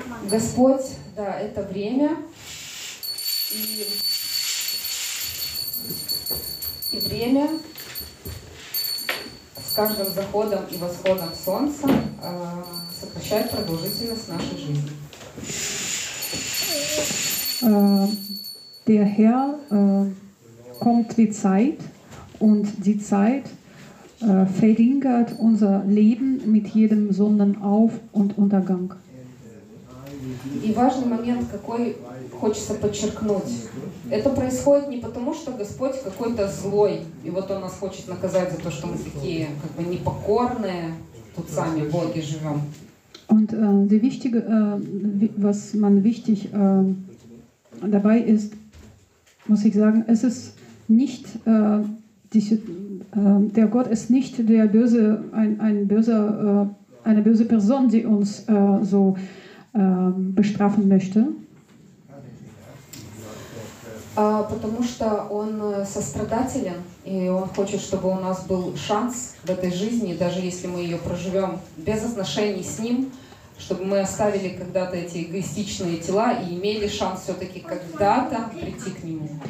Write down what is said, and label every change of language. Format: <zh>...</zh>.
<ru>Господь, да, это время, и время с каждым заходом и восходом солнца сокращает продолжительность нашей жизни.</ru> <de>Der Herr kommt die Zeit und die Zeit verringert unser Leben mit jedem Sonnenauf- und Untergang.</de> <ru>И важный момент, какой хочется подчеркнуть. Это происходит не потому, что Господь какой-то злой, и вот Он нас хочет наказать за то, что мы такие как бы непокорные, тут сами в Боге живем.</ru> <de>Und die wichtige, was man wichtig dabei ist, muss ich sagen, es ist nicht der Gott ist nicht der böse eine böse Person, die uns so bestrafen möchte.</de> <ru>Потому что он сострадателен и он хочет, чтобы у нас был шанс в этой жизни, даже если мы ее проживем без отношений с ним, чтобы мы оставили когда-то эти эгоистичные тела и имели шанс все-таки когда-то прийти к нему.</ru>